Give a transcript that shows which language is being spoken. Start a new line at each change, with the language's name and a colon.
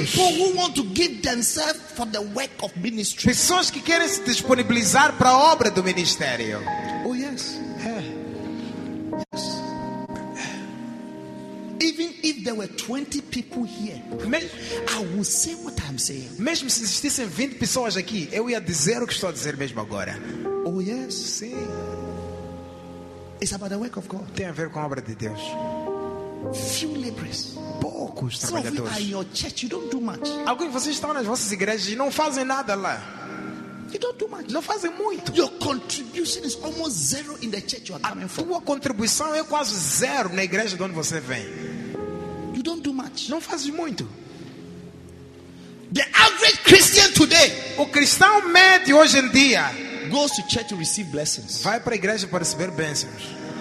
English: People who want to give themselves for the work of ministry.
Portuguese: Pessoas que querem se disponibilizar para a obra do ministério.
English: Oh yes.
Portuguese: É.
English: Even if there were 20 people here, I would say what I'm saying.
Portuguese: Mesmo se existissem 20 pessoas aqui, eu ia dizer o que estou a dizer mesmo agora.
English: Oh yes,
Portuguese: sim.
English: It's about the work of God.
Portuguese: Tem a ver com a obra de Deus.
English: Few laborers.
Portuguese: Poucos trabalhadores.
English: Some of you are in your church, you don't do much.
Portuguese: Alguns de vocês estão nas vossas igrejas e não fazem nada lá.
English: You don't do much.
Portuguese: Não fazem muito.
English: Your contribution is almost zero in the church you are coming from.
Portuguese: A tua contribuição é quase zero na igreja de onde você vem.
English: You don't do much.
Portuguese: Não fazes muito.
English: The average Christian today,
Portuguese: o cristão médio hoje em dia,
English: goes to church to receive blessings.
Portuguese: Vai para a igreja para receber bênçãos.